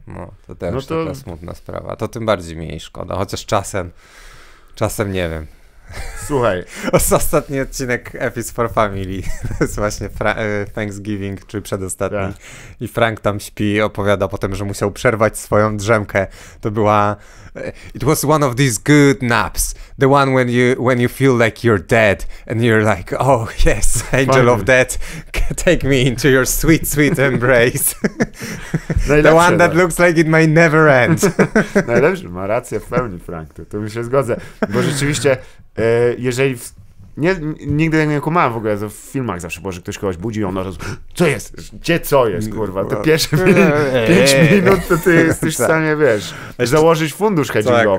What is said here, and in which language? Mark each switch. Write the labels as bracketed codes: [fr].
[pl] No to też taka smutna sprawa. To tym bardziej mi jej szkoda, chociaż czasem nie wiem. Słuchaj. Ostatni odcinek F is for Family. To jest właśnie Thanksgiving, czyli przedostatni. Tak. I Frank tam śpi, opowiada potem, że musiał przerwać swoją drzemkę. To była... [en] It was one of these good naps. The one when you feel like you're dead. And you're like, oh yes, angel of death, take me into your sweet, sweet embrace. The one that looks like it may never end. [pl] Najlepszy, ma rację w pełni Frank, to mi się zgodzę. Bo rzeczywiście... jeżeli nigdy nie kumałem w ogóle, w filmach zawsze, Boże, ktoś kogoś budzi i on razu, co jest, gdzie co jest, kurwa, to pierwsze pięć minut, to ty jesteś w stanie, wiesz, założyć fundusz hedgingowy.